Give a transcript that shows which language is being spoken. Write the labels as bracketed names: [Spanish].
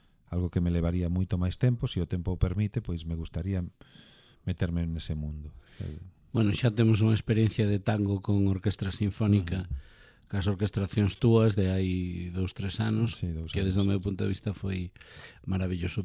[Spanish] Algo que me llevaría mucho más tiempo, si el tiempo permite, pues me gustaría meterme en ese mundo. [Galician] Bueno, xa temos unha experiencia de tango con orquestra sinfónica, cas orquestracións túas de hai 2, 3 anos, Sí, 2 que desde o [Spanish] años. [Galician] meu punto de vista foi maravilloso.